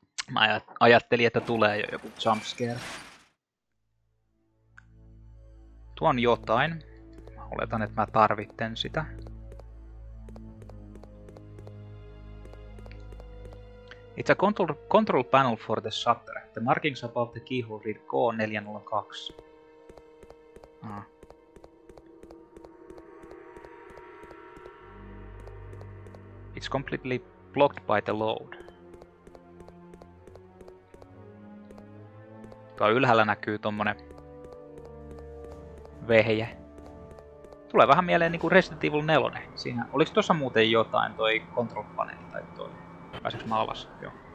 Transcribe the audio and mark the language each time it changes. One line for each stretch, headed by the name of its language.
Finnish: Mä ajattelin, että tulee jo joku jumpscare. Tuon jotain. Mä oletan, että mä tarvitsen sitä.
English: It's a control panel for the shutter. The markings above the keyhole read K402. It's completely blocked by the load.
Finnish: Tuolla ylhäällä näkyy tommonen vehje. Tulee vähän mieleen niinku Resident Evil 4. Siinä. Oliks tuossa muuten jotain toi control panel tai toi? Pääseks mä alas? Joo.